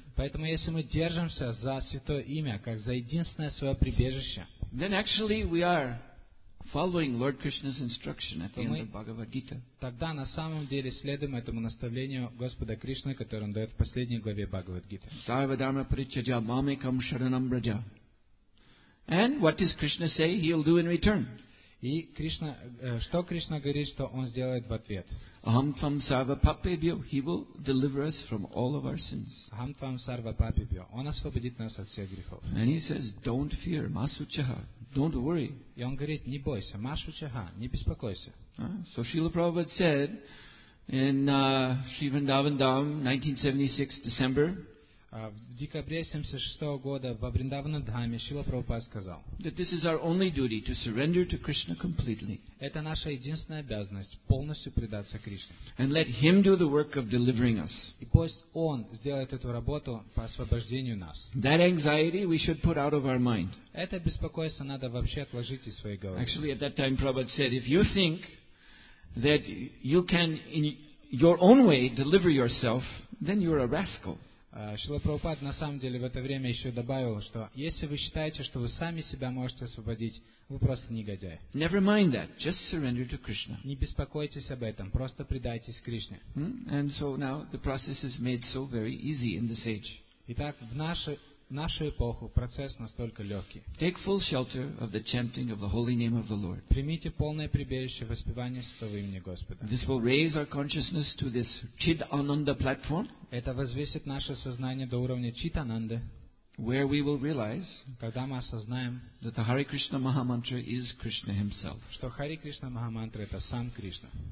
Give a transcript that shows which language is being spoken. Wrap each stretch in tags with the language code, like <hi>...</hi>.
<ru>Поэтому если мы держимся за святое имя, как за единственное свое прибежище,</ru> <en>then actually we are following Lord Krishna's instruction at the end of Bhagavad Gita.</en> <ru>Тогда на самом деле следуем этому наставлению Господа Кришны, которое он дает в последней главе Бхагавад Гиты.</ru> <sa>Сарва дхарма причаджа мамекам шаранам брджа.</sa> <en>And what does Krishna say he'll do in return?</en> <ru>И Кришна, что Кришна говорит, что он сделает в ответ?</ru> <sa>Aham tvam sarva papebhyo,</sa> <en>he will deliver us from all of our sins.</en> <sa>Aham tvam sarva papebhyo,</sa> <ru>он освободит нас от всех грехов.</ru> <en>And he says, don't fear, masuchaha. Don't worry.</en> <ru>И он говорит, не бойся, машу чага, не беспокойся.</ru> <en>So Srila Prabhupada said in Sri Vrindavan Dham, 1976, December,</en> <ru>в декабре 76 года во Вриндавана Дхаме Шрила Прабхупада сказал,</ru> <en>that this is our only duty, to surrender to Krishna completely.</en> <ru>Это наша единственная обязанность, полностью предаться Кришне.</ru> <en>And let him do the work of delivering us.</en> <ru>И пусть он сделает эту работу по освобождению нас.</ru> <en>That anxiety we should put out of our mind.</en> <ru>Это беспокойство надо вообще отложить из своей головы.</ru> <en>Actually, at that time Prabhupada said, if you think that you can in your own way deliver yourself, then you're a rascal.</en> <ru>Шрила Прабхупад на самом деле в это время еще добавил, что если вы считаете, что вы сами себя можете освободить, вы просто негодяй.</ru> <en>Never mind that. Just surrender to Krishna.</en> <ru>Не беспокойтесь об этом, просто предайтесь Кришне.</ru> <en>And so now the process is made so very easy in this age.</en> <ru>Итак, в нашу эпоху процесс настолько легкий.</ru> <en>Take full shelter of the chanting of the holy name of the Lord.</en> <ru>Примите полное прибежище воспевания святого имени Господа.</ru> <en>This will raise our consciousness to this Chidananda platform.</en> <ru>Это возвысит наше сознание до уровня Чит-Ананды.</ru> <en>Where we will realize,</en> <ru>когда мы осознаем,</ru> <en>that the Hare Krishna Mahamantra is Krishna himself.</en> <ru>Что Хари Кришна Махамантра это сам Кришна.</ru>